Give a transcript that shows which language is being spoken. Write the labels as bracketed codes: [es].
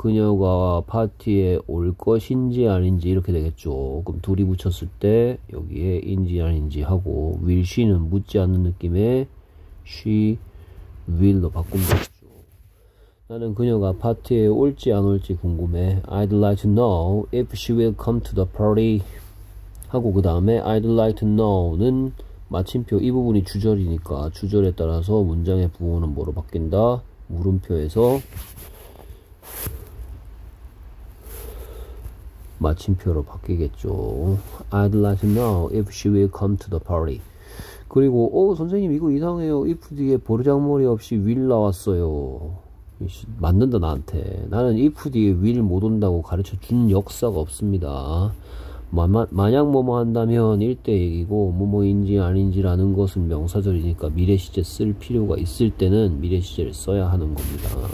[ko] 그녀가 파티에 올 것인지 아닌지 이렇게 되겠죠. 그럼 둘이 붙였을 때 여기에 인지 아닌지 하고 [en] Will she [ko] 는 묻지 않는 느낌의 [en] she will [ko] 로 바꾼 거죠. 나는 그녀가 파티에 올지 안 올지 궁금해. [en] I'd like to know if she will come to the party. [ko] 하고 그 다음에 [en] I'd like to know [ko] 는 마침표 이 부분이 주절이니까 주절에 따라서 문장의 부호는 뭐로 바뀐다? 물음표에서 마침표로 바뀌겠죠. [en] I'd like to know if she will come to the party. [ko] 그리고 선생님 이거 이상해요. if 뒤에 버르장머리 없이 will 나왔어요. 맞는다 나한테. 나는 if 뒤에 will 못 온다고 가르쳐 준 역사가 없습니다. 만약 뭐뭐 한다면 일대 얘기고 뭐뭐인지 아닌지라는 것은 명사절이니까 미래 시제 쓸 필요가 있을 때는 미래 시제를 써야 하는 겁니다.